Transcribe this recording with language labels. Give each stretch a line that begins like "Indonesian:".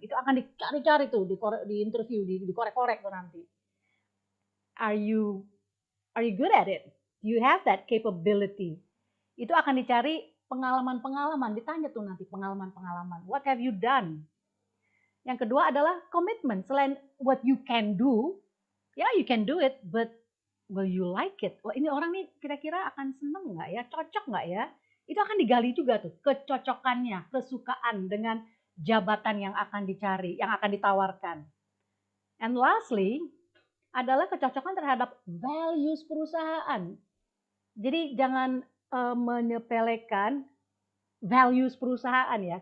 Indonesian: Itu akan dicari-cari tuh di interview, dikorek-korek tuh nanti.
English: Are you good at it? Do you have that capability?
Indonesian: Itu akan dicari pengalaman-pengalaman, ditanya tuh nanti pengalaman-pengalaman.
English: What have you done?
Indonesian: Yang kedua adalah commitment. Selain
English: what you can do, yeah, you can do it, but will you like it?
Indonesian: Wah, ini orang nih kira-kira akan seneng nggak ya? Cocok nggak ya? Itu akan digali juga tuh, kecocokannya, kesukaan dengan jabatan yang akan dicari, yang akan ditawarkan.
English: And lastly,
Indonesian: adalah kecocokan terhadap values perusahaan. Jadi jangan menyepelekan values perusahaan ya.